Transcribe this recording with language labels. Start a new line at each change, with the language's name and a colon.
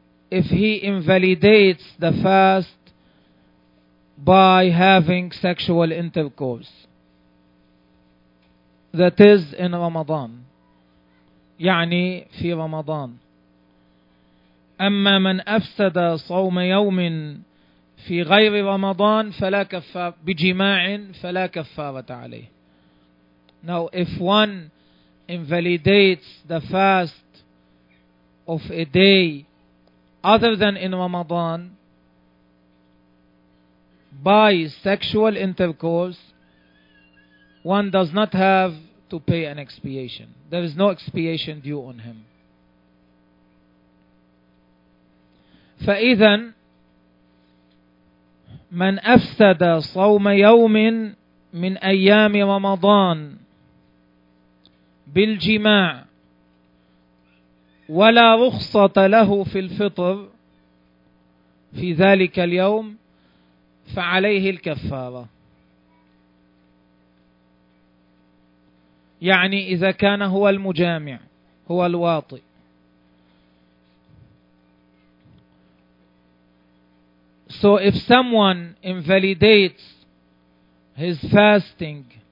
English: if he invalidates the fast by having sexual intercourse, that is in Ramadan,
Arabic: يعني في رمضان. أما من أفسد صوم يوم في غير رمضان فلا كفارة بجماع فلا كفارة عليه.
English: Now if one invalidates the fast of a day other than in Ramadan by sexual intercourse, one does not have to pay an expiation. There is no expiation due on him.
Arabic: فإذا من أفسد صوم يوم من أيام رمضان بالجماع ولا رخصة له في الفطر في ذلك اليوم فعليه الكفارة. يعني إذا كان هو المجامع, هو الواطئ,
English: so if someone invalidates his fasting